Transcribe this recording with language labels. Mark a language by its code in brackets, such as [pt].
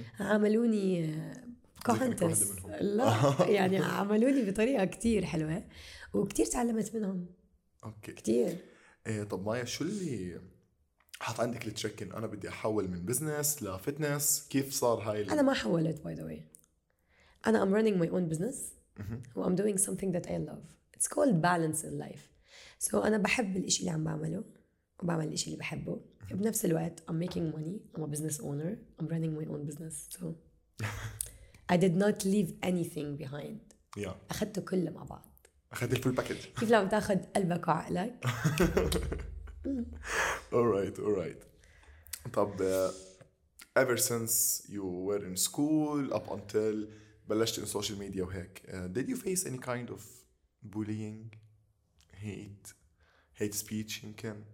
[ar] عاملوني كوهنتس. لا يعني عاملوني بطريقة كتير حلوة وكتير تعلمت منهم. أوكي. كتير. إيه طب مايا شو اللي حط عندك التشيكن أنا بدي أحول من بزنس لفتنس؟ كيف صار هاي؟ أنا ما حولت [en] by the way. أنا I'm running my own business and I'm doing something that I love. It's called balance in life. So [ar] أنا بحب الإشي اللي عم بعمله وبعمل الإشي اللي بحبه بنفس الوقت. [en] I'm making money. I'm a business owner. I'm running my own business. So I did not leave anything behind. Yeah. [ar] أخذته كل مع بعض. أخذت الفول باكج. كيف لو تأخذ قلبك وعقلك؟ [en] alright alright. طب ever since you were in school up until [ar] بلشت [en] in social media [ar] وهيك [en] did you face any kind of [ar] بولينج، هيت، هيت سبيتش يمكن.